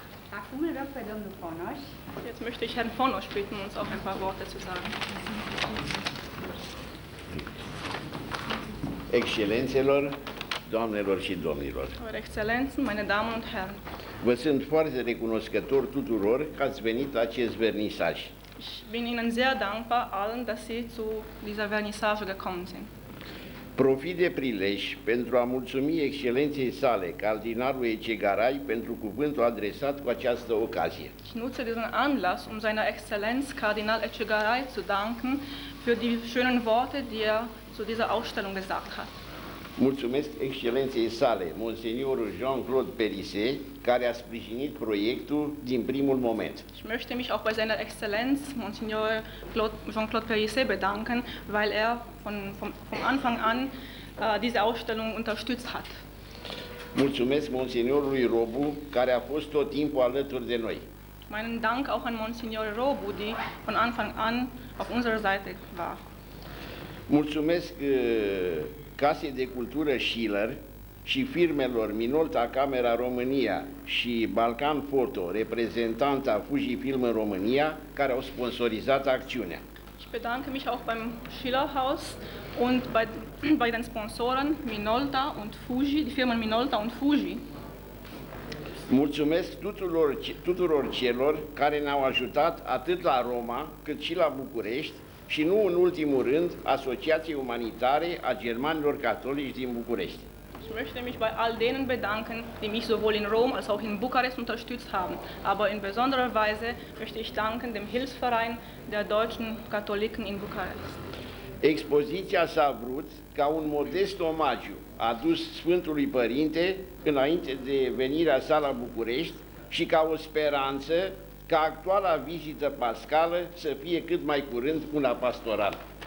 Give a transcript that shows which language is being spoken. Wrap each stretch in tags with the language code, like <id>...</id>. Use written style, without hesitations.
<ro>Acum îl rog pe domnul Fonoș.</ro> <de>Jetzt möchte ich Herrn Fonoș bitten, uns auch ein paar Worte zu sagen.</de> <ro>Excelențelor, doamnelor și domnilor.</ro> <de>Excelențe, meine Damen und Herren.</de> <ro>Vă sunt foarte recunoscător tuturor că ați venit la acest vernisaj.</ro> <de>Ich bin Ihnen sehr dankbar allen, dass Sie zu dieser Vernissage gekommen sind.</de> <ro>Profit de prilej pentru a mulțumi excelenței sale, cardinalul Ecegaray, pentru cuvântul adresat cu această ocazie.</ro> <de>Ich nutze diesen Anlass, seiner Exzellenz Kardinal Ecegaray zu danken für die schönen Worte, die zu dieser Ausstellung gesagt hat.</de> <ro>Mulțumesc excelenței sale, Monseniorul Jean-Claude Perisset, care a sprijinit proiectul din primul moment.</ro> <de>Ich möchte mich auch bei seiner Exzellenz Monsignor Jean-Claude Perisset bedanken, weil vom Anfang an diese Ausstellung unterstützt hat.</de> <ro>Mulțumesc Monseniorului Robu, care a fost tot timpul alături de noi.</ro> <de>Meinen Dank auch an Monsignor Robu, die von Anfang an auf unserer Seite war.</de> <ro>Mulțumesc Casei de Cultură Schiller și firmelor Minolta Camera România și Balkan Foto, reprezentanta Fujifilm în România, care au sponsorizat acțiunea.</ro> <de>Ich bedanke mich auch beim Schillerhaus und bei den Sponsoren Minolta und Fuji, die Firmen Minolta und Fuji.</de> <ro>Mulțumesc tuturor celor care ne-au ajutat atât la Roma, cât și la București. Și nu în ultimul rând, Asociația Umanitare a Germanilor Catolici din București.</ro> <de>Ich möchte mich bei all denen bedanken, die mich sowohl in Rom als auch in Bukarest unterstützt haben, aber in besonderer Weise möchte ich danken dem Hilfsverein der deutschen Katholiken in Bukarest.</de> <ro>Expoziția s-a vrut ca un modest omagiu adus Sfântului Părinte înainte de venirea sa la București și ca o speranță ca actuala vizită pascală să fie cât mai curând una pastorală.</ro>